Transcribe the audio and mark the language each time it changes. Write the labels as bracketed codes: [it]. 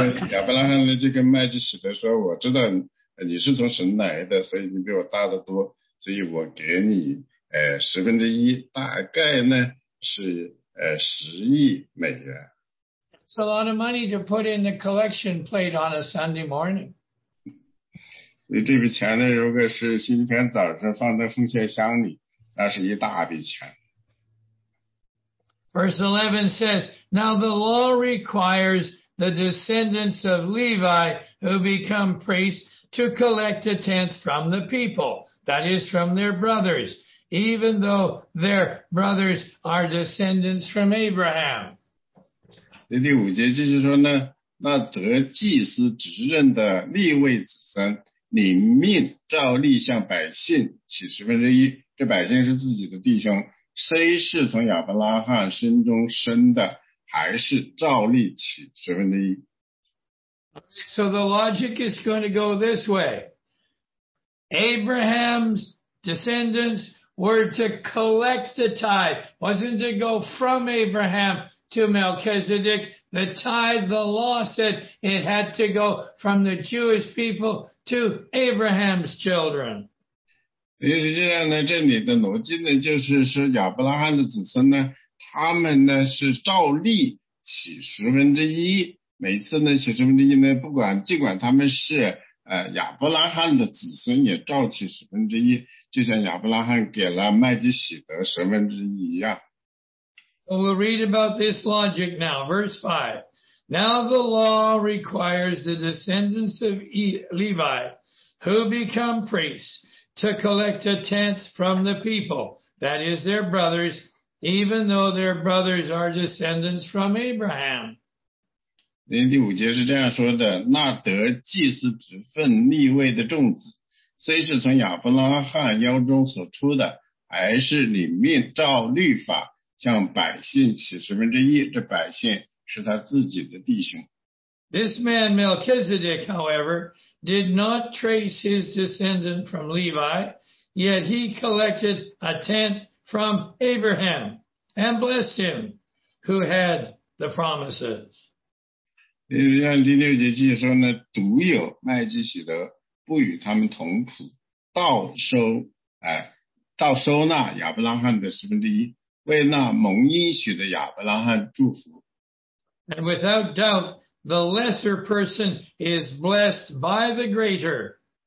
[zh] 亚伯拉罕的这个麦基洗德说，我知道你是从神来的，所以你比我大得多，所以我给你十分之一，大概呢是10亿美元。 [en] It's a lot of money to put in the collection plate on a Sunday morning. [zh] 你这笔钱呢，如果是星期天早上放在奉献箱里，那是一大笔钱。 [en] Verse 11 says, Now the law requires the descendants of Levi who become priests to collect a tenth from the people, that is from their brothers, even though their brothers are descendants from Abraham. [zh] 第五节就是说呢，那得祭司职任的利未子孙领命照例向百姓起十分之一，这百姓是自己的弟兄，虽是从亚伯拉罕身中生的，还是照例起十分之一。 [en] So the logic is going to go this way. Abraham's descendants were to collect the tithe, wasn't to go from Abraham to Melchizedek. The tithe, the law said, it had to go from the Jewish people to Abraham's children. [zh] 实际上呢，这里的逻辑呢，就是说亚伯拉罕的子孙呢，他们呢是照例起十分之一。每次呢起十分之一呢，不管尽管他们是亚伯拉罕的子孙，也照起十分之一，就像亚伯拉罕给了麦基洗德十分之一一样。 [en] We'll read about this logic now. Verse 5. Now the law requires the descendants of Levi who become priests to collect a tenth from the people, that is their brothers, even though their brothers are descendants from Abraham. [zh] 第五节是这样说的，那得祭司职分利未的众子，虽是从亚伯拉罕腰中所出的，还是领命照律法向百姓起十分之一，这百姓是他自己的弟兄。 [en] This man Melchizedek, however, did not trace his descendant from Levi, yet he collected a tenth from Abraham and blessed him who had the promises. [zh] 像第六节继续说呢，独有麦基洗德不与他们同谱，倒收纳亚伯拉罕的十分之一。为那蒙应许的亚伯拉罕祝福。 [en] And without doubt, the lesser person is blessed by the greater.